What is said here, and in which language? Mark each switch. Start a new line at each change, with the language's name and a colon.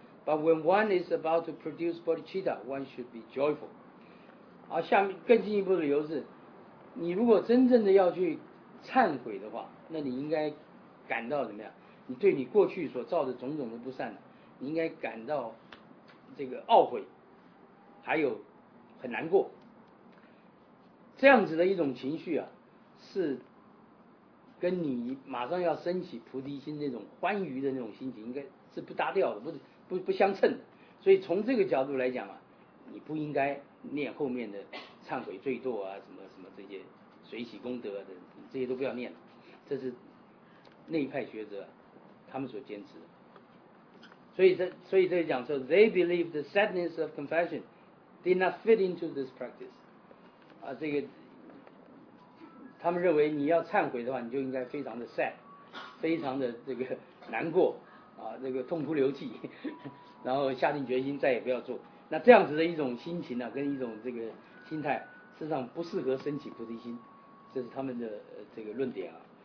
English: But when one is about to produce bodhicitta, one should be joyful.
Chinese: 啊，下面更进一步的理由是，你如果真正的要去忏悔的话，那你应该感到怎么样？你对你过去所造的种种的不善，你应该感到这个懊悔，还有很难过。这样子的一种情绪啊，是跟你马上要升起菩提心那种欢愉的那种心情，应该是不搭调的，不相称，所以从这个角度来讲啊，你不应该念后面的忏悔罪堕啊，什么什么这些随喜功德的，这些都不要念了。这是那一派学者他们所坚持的。所以这里讲说
English: ，they believe the sadness of confession did not fit into this practice。
Chinese: 啊，这个他们认为你要忏悔的话，你就应该非常的 sad， 非常的这个难过。啊，这个痛哭流涕，然后下定决心再也不要做，那这样子的一种心情呢，跟一种这个心态，事实上不适合升起菩提心，这是他们的这个论点啊。